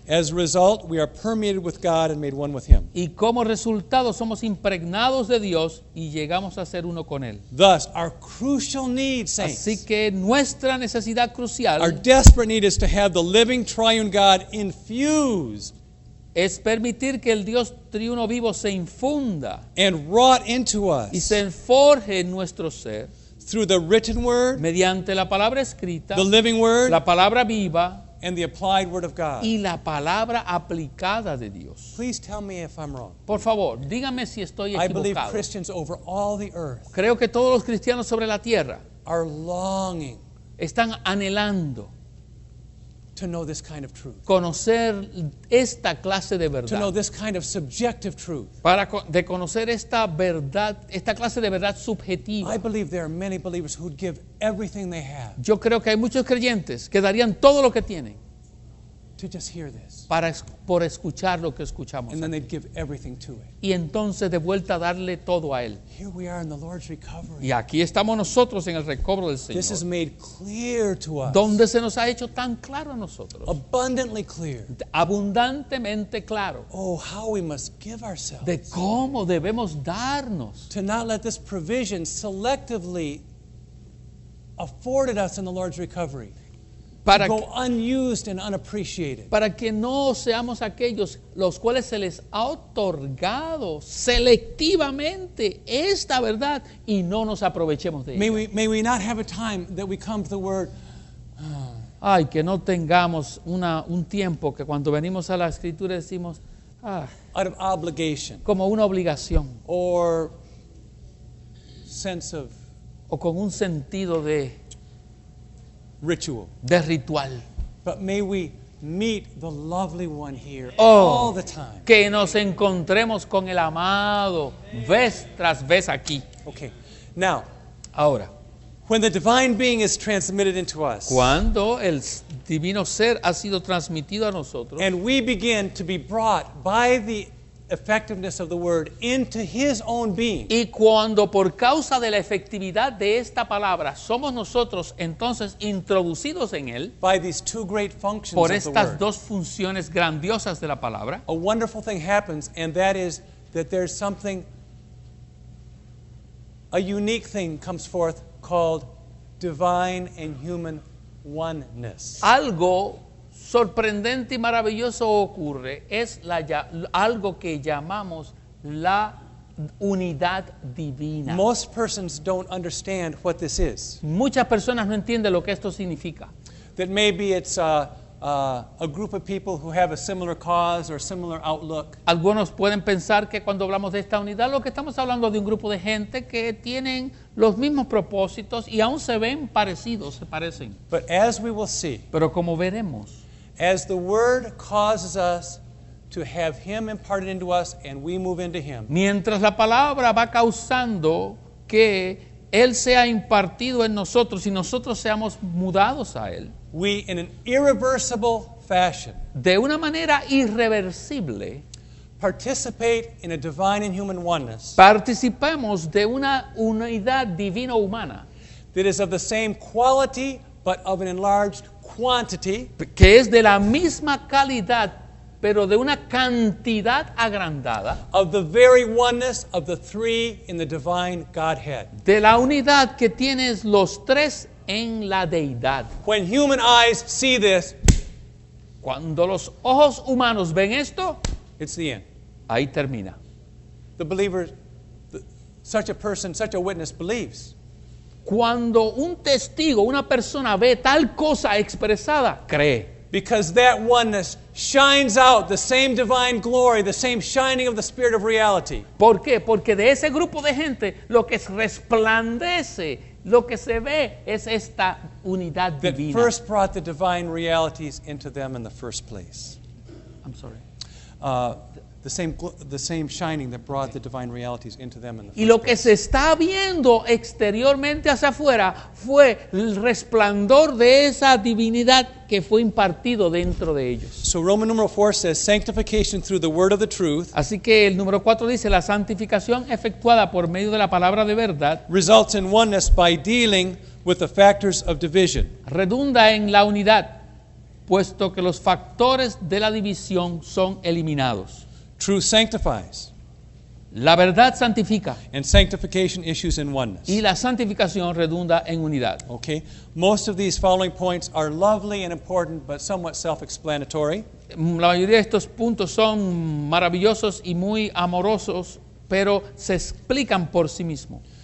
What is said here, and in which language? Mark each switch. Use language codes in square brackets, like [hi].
[en] As a result, we are permeated with God and made one with him. [es] Y como resultado, somos impregnados de Dios y llegamos a ser uno con él. [en] Thus, our crucial need, saints. [es] Así que nuestra necesidad crucial. [en] Our desperate need is to have the living triune God infused. [es] Es permitir que el Dios triuno vivo se infunda [en] and wrought into us [es] y se forje en nuestro ser [en] through the written word, [es] mediante la palabra escrita, [en] the living word, [es] la palabra viva, [en] and the applied word of God. [es] Y la palabra aplicada de Dios. [en] Please tell me if I'm wrong. [es] Por favor, dígame si estoy equivocado. [en] I believe Christians over all the earth. [es] Creo que todos los cristianos sobre la tierra [en] are longing. [es] Están anhelando. [en] To know this kind of truth. [es] Conocer esta clase de verdad. [en] To know this kind of subjective truth. [es] Para de conocer esta verdad, esta clase de verdad subjetiva. [en] I believe there are many believers who'd give everything they have. [es] Yo creo que hay muchos creyentes que darían todo lo que tienen. [en] To just hear this. [es] Para por escuchar lo que escuchamos. [en] And then they'd give everything to it. [es] Y entonces de vuelta darle todo a él. [en] Here we are in the Lord's recovery. [es] Y aquí estamos nosotros en el recobro del Señor. [en] This is made clear to us. [es] Donde se nos ha hecho tan claro a nosotros. [en] Abundantly clear. [es] Abundantemente claro. [en] Oh, how we must give ourselves. [es] De cómo debemos darnos. [en] To not let this provision selectively afforded us in the Lord's recovery. [es] Para [en] go unused and unappreciated. [es] Para que no seamos aquellos los cuales se les ha otorgado selectivamente esta verdad y no nos aprovechemos de ella. [en] May we not have a time that we come to the word. [es] Ay, que no tengamos un tiempo que cuando venimos a la escritura decimos, [en] out of obligation. [es] Como una obligación. [en] Or sense of. [es] O con un sentido de. [en] Ritual. [es] De ritual. [en] But may we meet the lovely one here all the time. [es] Que nos encontremos con el amado vez tras vez aquí. [en] Okay. Now, [es] ahora, [en] when the divine being is transmitted into us, [es] cuando el divino ser ha sido transmitido a nosotros, [en] and we begin to be brought by the effectiveness of the word into his own being. [es] Y cuando por causa de la efectividad de esta palabra somos nosotros entonces introducidos en él, [en] by these two great functions [es] por estas dos funciones grandiosas de la palabra, [en] a wonderful thing happens, and that is that there's something, a unique thing comes forth called divine and human oneness. [es] Algo sorprendente y maravilloso ocurre, es la, algo que llamamos la unidad divina. [en] Most persons don't understand what this is. [es] Muchas personas no entienden lo que esto significa. [en] That maybe it's a group of people who have a similar cause or a similar outlook. [es] Algunos pueden pensar que cuando hablamos de esta unidad, lo que estamos hablando de un grupo de gente que tienen los mismos propósitos y aún se ven parecidos, se parecen. [en] But as we will see, [es] pero como veremos, [en] as the word causes us to have him imparted into us and we move into him, [es] mientras la palabra va causando que él sea impartido en nosotros y nosotros seamos mudados a él, [en] we in an irreversible fashion, [es] de una manera irreversible, [en] participate in a divine and human oneness, [es] participamos de una unidad divina humana, [en] that is of the same quality but of an enlarged quantity, [es] que es de la misma calidad pero de una cantidad agrandada, [en] of the very oneness of the three in the divine Godhead, [es] de la unidad que tienes los tres en la deidad. [en] When human eyes see this, [es] cuando los ojos humanos ven esto, [en] it's the end. [es] Ahí termina. [en] The believer, such a person, such a witness believes. [es] Cuando un testigo, una persona ve tal cosa expresada, cree. [en] Because that oneness shines out the same divine glory, the same shining of the Spirit of reality. [es] ¿Por qué? Porque de ese grupo de gente, lo que resplandece, lo que se ve es esta unidad [en] that [es] divina. [en] That first brought the divine realities into them in the first place. I'm sorry. The same shining that brought the divine realities into them in the first [es] y lo [en] place. [es] Que se está viendo exteriormente hacia afuera fue el resplandor de esa divinidad que fue impartido dentro de ellos. [en] So Roman numeral 4 says sanctification through the word of the truth. [es] Así que el número 4 dice la santificación efectuada por medio de la palabra de verdad [en] results in oneness by dealing with the factors of division. [es] Redunda en la unidad puesto que los factores de la división son eliminados. [en] Truth sanctifies. [es] La verdad santifica. [en] And sanctification issues in oneness. [es] Y la santificación redunda en unidad. [en] Okay. Most of these following points are lovely and important, but somewhat self-explanatory. [es] La mayoría de estos puntos son maravillosos y muy amorosos, pero se explican por sí mismo.